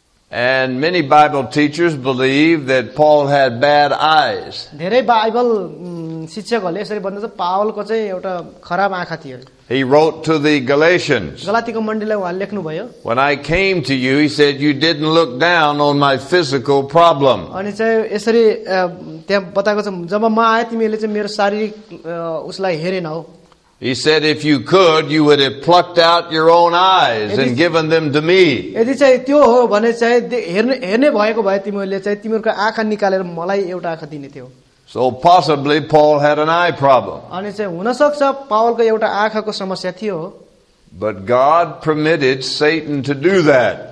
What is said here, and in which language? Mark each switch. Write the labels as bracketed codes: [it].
[en] And many Bible teachers believe that Paul had bad eyes. [ne] धेरै Bible शिक्षकहरूले यसरी भन्दछ पावलको चाहिँ एउटा खराब आँखा थियो. [en] He wrote to the Galatians. [ne] गलातीको मण्डलीलाई उहाँले लेख्नुभयो. [en] When I came to you, he said, you didn't look down on my physical problem. [ne] अनि चाहिँ यसरी त्यहाँ बताएको छ जब म आए तिमीले चाहिँ मेरो शारीरिक उसलाई हेरेनौ. [en] He said, if you could, you would have plucked out your own eyes and given them to me. [ne] यदि चाहिँ त्यो हो भने चाहिँ हेर्ने भएको भए तिमीले चाहिँ तिमीहरूको आँखा निकालेर मलाई एउटा आँखा दिने थियो. [en] So possibly Paul had an eye problem. [ne] अनि चाहिँ हुन सक्छ पावलको एउटा आँखाको समस्या थियो. [en] But God permitted Satan to do that.